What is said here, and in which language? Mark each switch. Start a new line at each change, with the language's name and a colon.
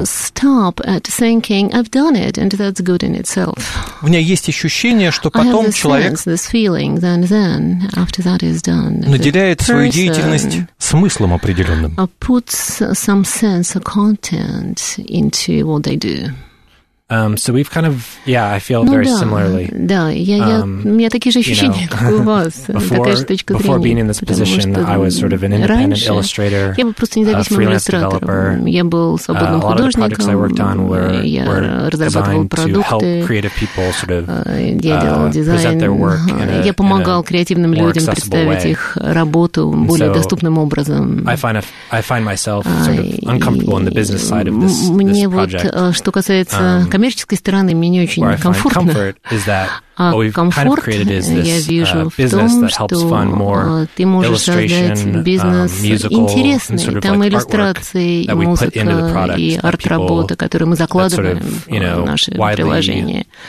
English: Stop at thinking, I've done it, and that's good in itself.
Russian: У меня есть ощущение, что потом человек наделяет свою деятельность смыслом определенным.
English: Puts some sense or content into what they do. So we've kind of, yeah, I feel very similarly.
Russian: Да, я такие же ощущения, как у вас.
English: Before being in this position, I was sort of an independent illustrator, a freelance developer. A lot of the projects I worked on were designed to help creative people sort of present their work in a more accessible way. I find myself sort of uncomfortable in the business side of this project.
Russian: Что касается коммерческой стороны, мне не очень комфортно. А комфорт я вижу в том, что ты можешь создать бизнес интересный. Там иллюстрации, и музыка, и арт-работа, которые мы закладываем в наше приложение.